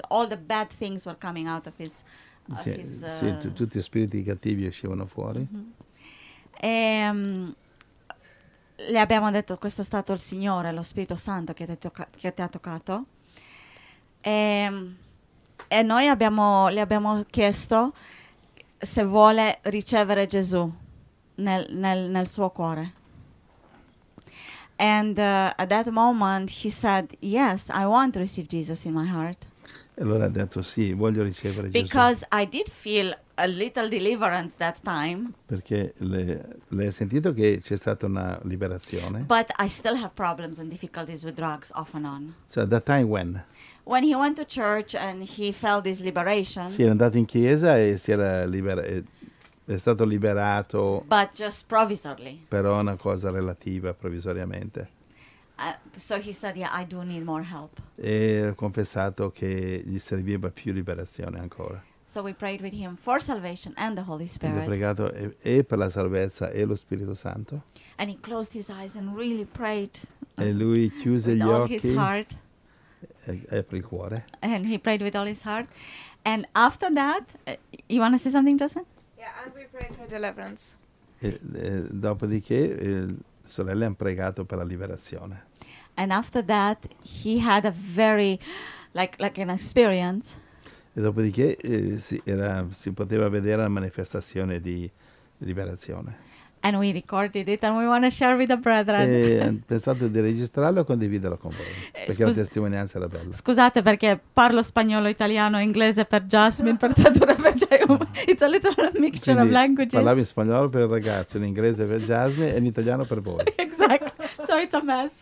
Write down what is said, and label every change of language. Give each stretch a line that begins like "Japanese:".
English: All the bad things were coming out of his...
Italian: Tutti gli spiriti cattivi uscivano fuori. Uh-huh. E, le abbiamo detto, questo è stato il Signore, lo Spirito Santo che ti ha toccato. E noi le abbiamo chiesto se vuole ricevere Gesù nel suo cuore.
English: And at that moment he said, yes, I want to receive Jesus in my heart.
Italian: E allora ha detto sì, voglio ricevere Gesù.
English: Because I did feel a little deliverance that time.
Italian: Perché lei ha sentito che c'è stata una liberazione.
English: But I still have problems and difficulties with drugs off and on. So at that time when? When he went to church and he felt this liberation.
Italian: Sì, è andato in chiesa e si era è stato liberato.
English: But just provisorily.
Italian: Però una cosa relativa, provvisoriamente.
English: So he said, yeah, I do need more help.
Italian: E ha confessato che gli serviva più liberazione ancora.
English: So we prayed with him for salvation and the Holy Spirit.
Italian: Ha pregato e per la salvezza e lo Spirito Santo.
English: And he closed his eyes and really prayed.
Italian: E lui chiuse
English: with
Italian: gli
English: all
Italian: occhi.
English: His heart.
Italian: E aprì il cuore.
English: And he prayed with all his heart. And after that, you want to say something, Jasmine? Yeah, and we prayed for deliverance.
Italian: Dopodiché. Sorelle hanno pregato per la liberazione.
English: And after that, he had a very, like an experience.
Italian: E dopodiché si poteva vedere la manifestazione di liberazione.
English: And we recorded it and we want to share with the brethren.
Italian: E pensato di registrarlo e condividerlo con voi, perché la testimonianza era bella. Scusate perché parlo spagnolo, italiano, inglese per Jasmine, per tradurre per Jaume.
English: It's a little mixture
Italian: Quindi,
English: of languages.
Italian: Parlavo in spagnolo per il ragazzo, in inglese per Jasmine e in italiano per voi.
English: Exactly. So it's a mess.